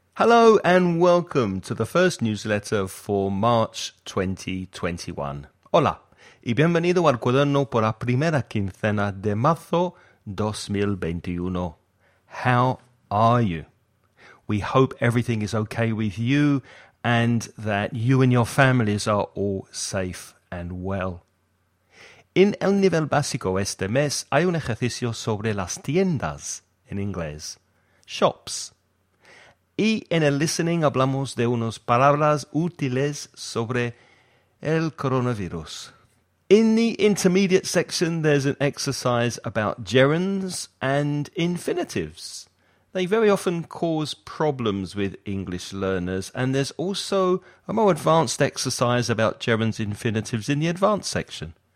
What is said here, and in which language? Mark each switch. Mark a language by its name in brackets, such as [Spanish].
[English] Hello and welcome to the first newsletter for March 2021. [Spanish] Hola y bienvenido al cuaderno por la primera quincena de marzo 2021. [English] How are you? We hope everything is okay with you and that you and your families are all safe and well. [Spanish] En el nivel básico este mes hay un ejercicio sobre las tiendas en inglés, shops. Y en el listening hablamos de unas palabras útiles sobre el coronavirus. [English] In the intermediate section, there's an exercise about gerunds and infinitives. They very often cause problems with English learners, and there's also a more advanced exercise about gerunds and infinitives in the advanced section.